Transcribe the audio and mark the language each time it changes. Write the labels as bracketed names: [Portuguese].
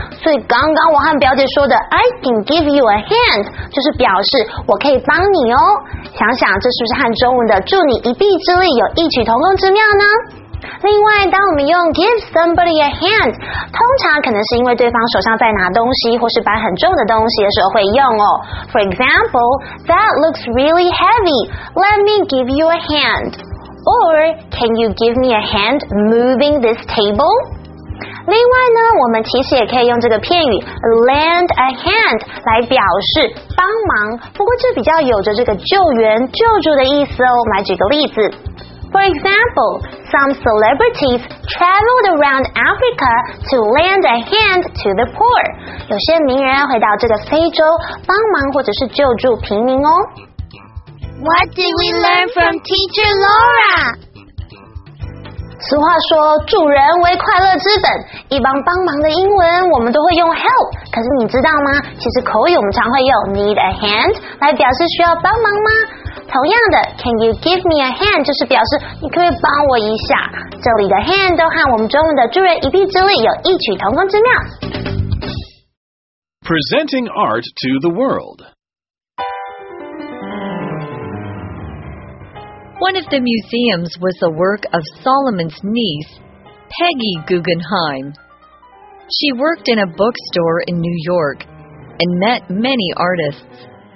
[Chinese] 所以刚刚我和表姐说的 [English] I can give you a hand [Chinese] 就是表示我可以帮你哦。想想这是不是和中文的助你一臂之力有异曲同工之妙呢？另外，当我们用 [English] give somebody a hand， [Chinese] 通常可能是因为对方手上在拿东西或是搬很重的东西的时候会用哦。 [English] For example， that looks really heavy. Let me give you a hand. Or can you give me a hand moving this table? [Chinese] 另外呢，我们其实也可以用这个片语 lend a hand 来表示帮忙，不过这比较有着这个救援、救助的意思哦。我们来举个例子 [English] ，For example, some celebrities traveled around Africa to lend a hand to the poor. [Chinese] 有些名人会到这个非洲帮忙或者是救助平民哦。 [English] What did we learn from Teacher Laura? [Chinese] 俗话说助人为快乐之本，一般帮忙的英文我们都会用 help， 可是你知道吗？其实口语我们常会用 [English] need a hand [Chinese] 来表示需要帮忙吗？同样的 [English] can you give me a hand [Chinese] 就是表示你可以帮我一下，这里的 hand 都和我们中文的助人一臂之力有异曲同工之妙。 [English] Presenting art to the world. One of the museums was the work of Solomon's niece, Peggy Guggenheim. She worked in a bookstore in New York and met many artists.